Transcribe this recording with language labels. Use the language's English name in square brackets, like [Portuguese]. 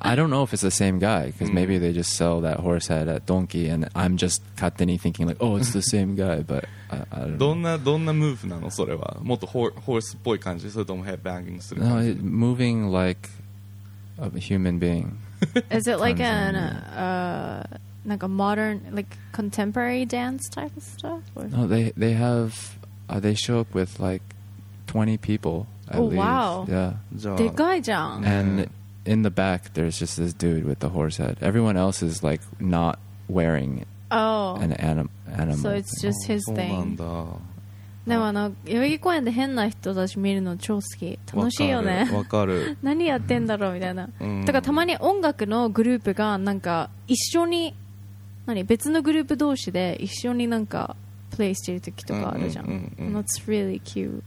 [English] I don't know if it's the same guy because maybe they just sell that horse head at Donki and I'm just 勝手に thinking like, oh, it's the same guy. But I don't know. [Japanese] どんなムーブなのそれは。もっとホースっぽい感じ、それともヘッドバンギングする。 [English] No, moving like a human being. Is it like an like a modern like contemporary dance type of stuff? Or? No, they have they show up with like 20 people at least. Oh wow! Yeah, [Japanese] でかいじゃん. [English] And in the back, there's just this dude with the horse head. Everyone else is like not wearing an animal. So it's just his thing. [Japanese] そうなんだ。でもあの代々木公園で変な人たち見るの超好き、楽しいよね。わかる。何やってんだろうみたいな、うん、だからたまに音楽のグループがなんか一緒に何別のグループ同士で一緒になんかプレイしてる時とかあるじゃん、うんうんうんうん、 That's really cute、